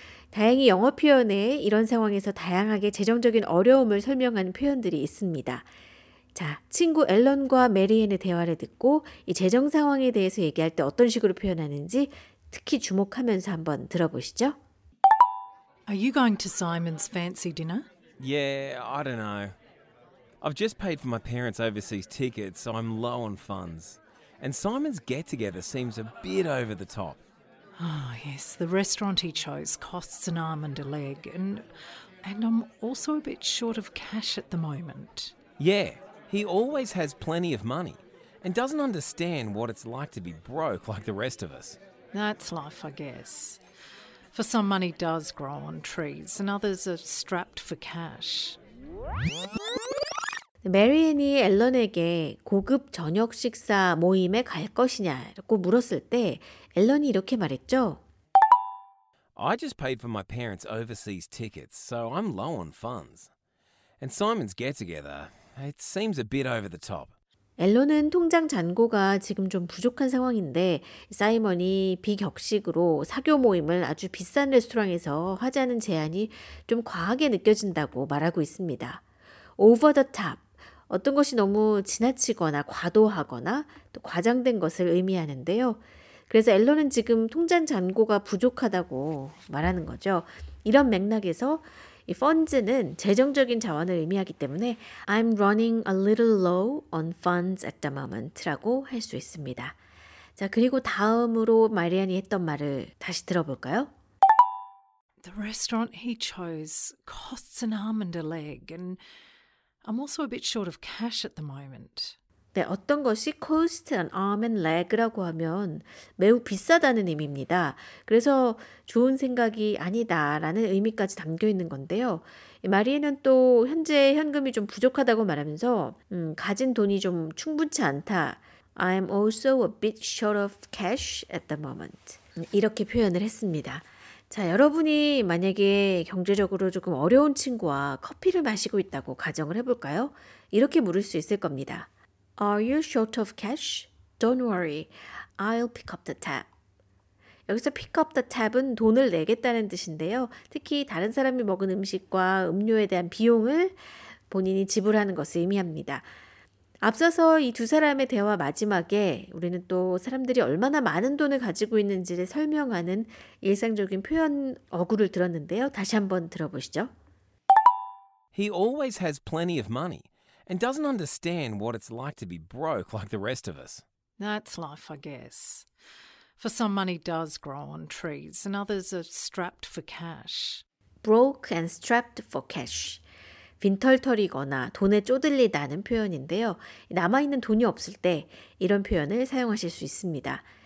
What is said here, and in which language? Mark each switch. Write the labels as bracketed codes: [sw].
[ko] 다행히 영어 표현에 이런 상황에서 다양하게 재정적인 어려움을 설명하는 표현들이 있습니다. 자, 친구 앨런과 메리앤의 대화를 듣고 이 재정 상황에 대해서 얘기할 때 어떤 식으로 표현하는지 특히 주목하면서 한번 들어보시죠. [en] Are you going to Simon's fancy dinner? Yeah, I don't know. I've just paid for my parents' overseas tickets, so I'm low on funds. And Simon's get-together seems a bit over the top. Oh, yes, the restaurant he chose costs an arm and a leg, and I'm also a bit short of cash at the moment. Yeah, he always has plenty of money and doesn't understand what it's like to be broke like the rest of us. That's life, I guess. For some, money does grow on trees, and others are strapped for cash. [ko] 메리앤이 앨런에게 고급 저녁 식사 모임에 갈 것이냐고 물었을 때 앨런이 이렇게 말했죠. [en] I just paid for my parents' overseas tickets, so I'm low on funds. And Simon's get-together, it seems a bit over the top. [ko] 앨런은 통장 잔고가 지금 좀 부족한 상황인데 사이먼이 비격식으로 사교 모임을 아주 비싼 레스토랑에서 하자는 제안이 좀 과하게 느껴진다고 말하고 있습니다. [en] Over the top. [ko] 어떤 것이 너무 지나치거나 과도하거나 또 과장된 것을 의미하는데요. 그래서 앨런은 지금 통장 잔고가 부족하다고 말하는 거죠. 이런 맥락에서 이 funds는 재정적인 자원을 의미하기 때문에 [en] I'm running a little low on funds at the moment [ko] 라고 할 수 있습니다. 자, 그리고 다음으로 마리안이 했던 말을 다시 들어볼까요? [en] The restaurant he chose costs an arm and a leg and I'm also a bit short of cash at the moment. [ko] 네, 어떤 것이 [en] cost an arm and leg [ko] 라고 하면 매우 비싸다는 의미입니다. 그래서 좋은 생각이 아니다라는 의미까지 담겨 있는 건데요. 마리에는 또 현재 현금이 좀 부족하다고 말하면서 가진 돈이 좀 충분치 않다. [en] I'm also a bit short of cash at the moment. [ko] 이렇게 표현을 했습니다. 자, 여러분이 만약에 경제적으로 조금 어려운 친구와 커피를 마시고 있다고 가정을 해볼까요? 이렇게 물을 수 있을 겁니다. [en] Are you short of cash? Don't worry. I'll pick up the tab. [ko] 여기서 [en] pick up the tab [ko] 은 돈을 내겠다는 뜻인데요. 특히 다른 사람이 먹은 음식과 음료에 대한 비용을 본인이 지불하는 것을 의미합니다. 앞서서 이 두 사람의 대화 마지막에 우리는 또 사람들이 얼마나 많은 돈을 가지고 있는지를 설명하는 일상적인 표현 어구를 들었는데요. 다시 한번 들어보시죠. [en] He always has plenty of money and doesn't understand what it's like to be broke like the rest of us. That's life, I guess. For some money does grow on trees and others are strapped for cash. Broke and strapped for cash. [ko] 빈털터리거나 돈에 쪼들리다는 표현인데요. 남아있는 돈이 없을 때 이런 표현을 사용하실 수 있습니다.